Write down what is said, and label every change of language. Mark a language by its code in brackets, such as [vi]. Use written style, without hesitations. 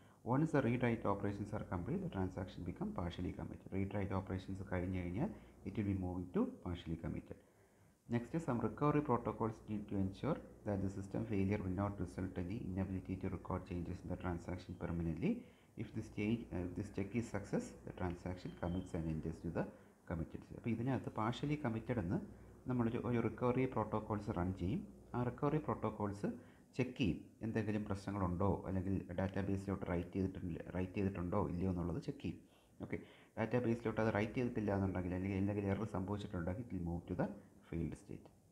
[en] Once a read write operations are complete the transaction become partially committed. Read write operations [ml] കഴിഞ്ഞ് കഴിഞ്ഞാൽ [en] It will be moving to partially committed. Next, some recovery protocols need to ensure that the system failure will not result in inability to record changes in the transaction permanently. If this check is success, the transaction commits and enters to the committed state. [ml] അപ്പോൾ ഇതിനകത്ത് partially committed എന്ന് നമ്മളൊരു recovery protocols run ചെയ്യും. ആ recovery protocols check ചെയ്യും, എന്തെങ്കിലും പ്രശ്നങ്ങളുണ്ടോ അല്ലെങ്കിൽ ഡാറ്റാബേസിലോട്ട് right ചെയ്തിട്ടുണ്ടോ ഇല്ലയോ എന്നുള്ളത് ചെക്ക് ചെയ്യും. ഓക്കെ, ഡാറ്റാബേസിലോട്ട് അത് റൈറ്റ് ചെയ്തിട്ടില്ല എന്നുണ്ടെങ്കിൽ അല്ലെങ്കിൽ എന്തെങ്കിലും എറർ സംഭവിച്ചിട്ടുണ്ടെങ്കിൽ [en] It move to the failed state.